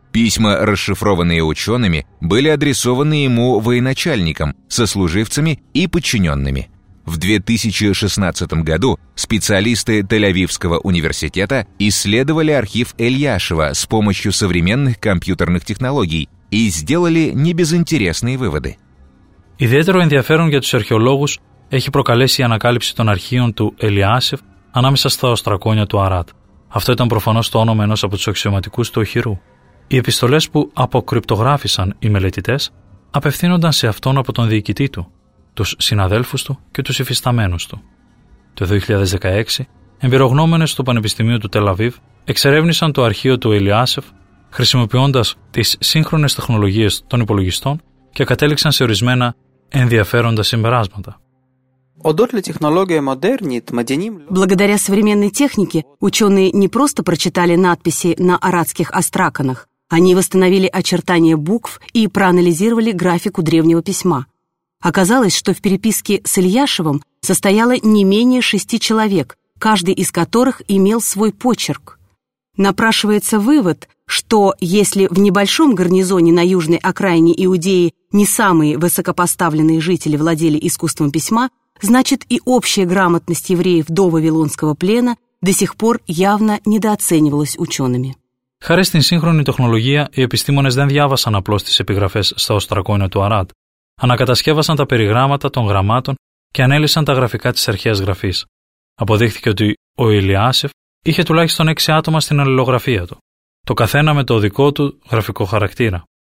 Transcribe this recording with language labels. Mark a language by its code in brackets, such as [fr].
[ru] Письма, расшифрованные учеными, были адресованы ему военачальником, сослуживцами и подчиненными. В 2016 году специалисты Тель-Авивского университета исследовали архив Эльяшева с помощью современных компьютерных технологий и сделали небезынтересные выводы. [el] Ιδιαίτερο ενδιαφέρον για τους αρχαιολόγους έχει προκαλέσει η ανακάλυψη των αρχείων του Ελιάσεφ ανάμεσα στα οστρακόνια του Αράτ. Αυτό ήταν προφανώς το όνομα ενός από τους αξιωματικούς του οχυρού. Οι επιστολές που αποκρυπτογράφησαν οι μελετητές απευθύνονταν σε αυτόν από τον διοικητή του, τους συναδέλφους του και τους υφισταμένους του. Το 2016, εμπειρογνώμενες του Πανεπιστημίου του Τελαβίβ εξερεύνησαν το αρχείο του Ελιάσεφ χρησιμοποιώντας τις σύγχρονες τεχνολογίες των υπολογιστών και κατέληξαν σε ορισμένα ενδιαφέροντα συμπεράσματα. [ru] Благодаря современной технике, ученые не просто прочитали надписи на арадских астраканах, они восстановили очертания букв и проанализировали графику древнего письма. Оказалось, что в переписке с Ильяшевым состояло не менее 6 человек, каждый из которых имел свой почерк. Напрашивается вывод, что если в небольшом гарнизоне на южной окраине Иудеи не самые высокопоставленные жители владели искусством письма, значит и общая грамотность евреев до Вавилонского плена до сих пор явно недооценивалась учеными. [el] Харе στην σύγχρονη τεχνολογία, οι επιστήμονες δεν διάβασαν απλώς τις επιγραφές στα οστρακόνια του Αράντ. Ανακατασκεύασαν τα περιγράμματα των γραμμάτων και ανέλυσαν τα γραφικά της αρχαίας γραφής. Αποδείχθηκε ότι ο Ηλιάσεφ είχε τουλάχιστον 6 άτομα στην αλληλογραφία του, το καθένα με το δικό του γραφικό χαρακτήρα.